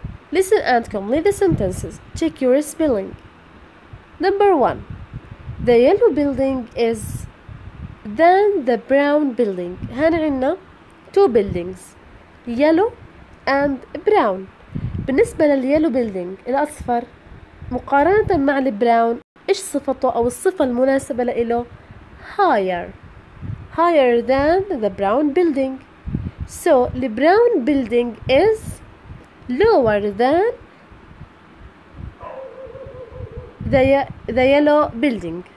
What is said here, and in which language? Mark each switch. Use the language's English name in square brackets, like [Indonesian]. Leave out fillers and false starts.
[English] Listen and complete the sentences. Check your spelling. Number 1. The yellow building is than the brown building. [Arabic] هان عنا [English] two buildings, yellow and brown. [Arabic] بالنسبة لليلو بيلدينج الأصفر مقارنة مع البراون إيش صفته أو الصفة المناسبة لإله؟ [English] higher, higher than the brown building. So the brown building is lower than the yellow building.